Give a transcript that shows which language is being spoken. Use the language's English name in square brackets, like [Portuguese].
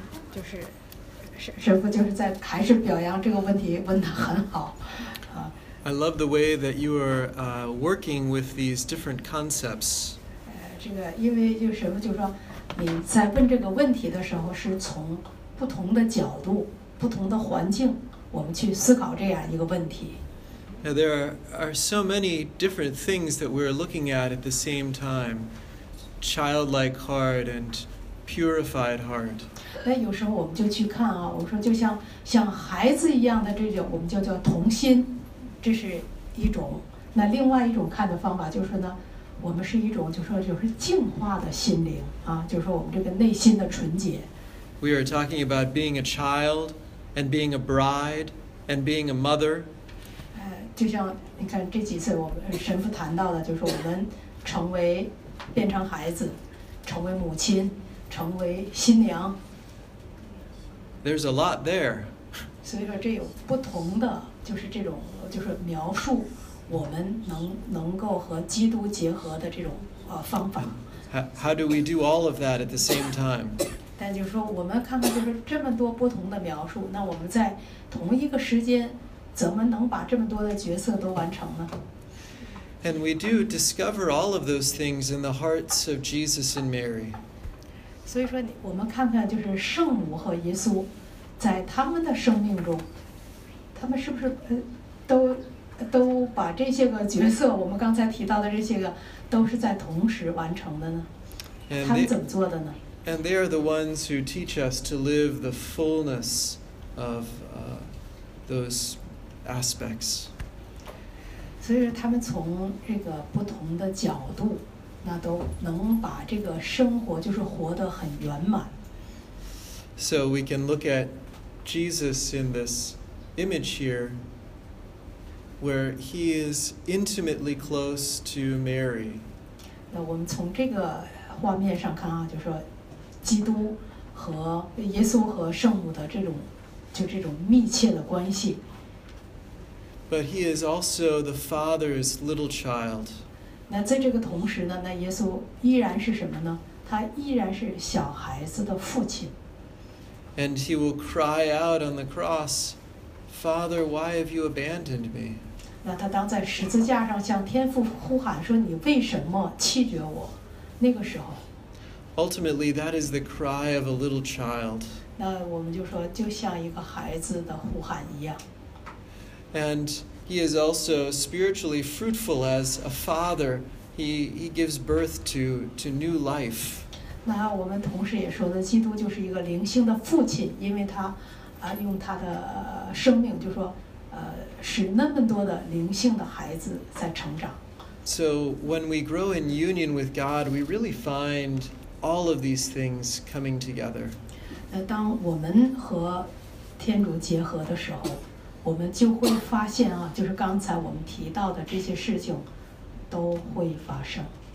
[Chinese] 就是神父就是在还是表扬这个问题问得很好。 [English] I love the way that you are working with these different concepts. [Chinese] 这个因为就是就是说你在问这个问题的时候是从不同的角度不同的环境我们去思考这样一个问题。 [English] Now, there are so many different things that we're looking at the same time. Childlike heart and purified heart. [Chinese] 哎，有时候我们就去看啊，我说就像孩子一样的这种，我们就叫童心，这是一种。那另外一种看的方法就是呢，我们是一种就是净化的心灵啊，就是说我们这个内心的纯洁。 [English] We are talking about being a child, and being a bride, and being a mother. [Chinese] 就像你看这几次我们神父谈到的，就是我们成为变成孩子，成为母亲。成为新娘。 [English] There's a lot there. [Chinese] 所以说这有不同的，就是这种，就是描述我们能够和基督结合的这种方法。 [English] How do we do all of that at the same time? [Chinese] 但就是说，我们看看就是这么多不同的描述，那我们在同一个时间，怎么能把这么多的角色都完成呢？ [English] And we do discover all of those things in the hearts of Jesus and Mary. [Chinese] 所以说我们看看就是圣母和耶稣在他们的生命中他们是不是都把这些个角色我们刚才提到的这些个都是在同时完成的呢他们怎么做的呢 [English] And they are the ones who teach us to live the fullness of those aspects [Chinese] 所以说他们从这个不同的角度那都能把这个生活就是活得很圆满。 [English] So we can look at Jesus in this image here, where he is intimately close to Mary. [Chinese] 那我们从这个画面上看啊，就是说，基督和耶稣和圣母的这种，就这种密切的关系。 [English] But he is also the Father's little child. [Chinese] 那在这个同时呢，那耶稣依然是什么呢？他依然是小孩子的父亲。 [English] And he will cry out on the cross, Father, why have you abandoned me? [Chinese] 那他当在十字架上向天父呼喊说：“你为什么弃绝我？” 那个时候 [English] ，Ultimately, that is the cry of a little child. [Chinese] 那我们就说，就像一个孩子的呼喊一样。 [English] And He is also spiritually fruitful as a father. He gives birth to new life. [Chinese] 那我们同时也说的，基督就是一个灵性的父亲，因为他用他的生命，就说使那么多的灵性的孩子在成长。 [English] So when we grow in union with God, we really find all of these things coming together. [Chinese] 那当我们和天主结合的时候。我们就会发现啊，就是刚才我们提到的这些事情，都会发生。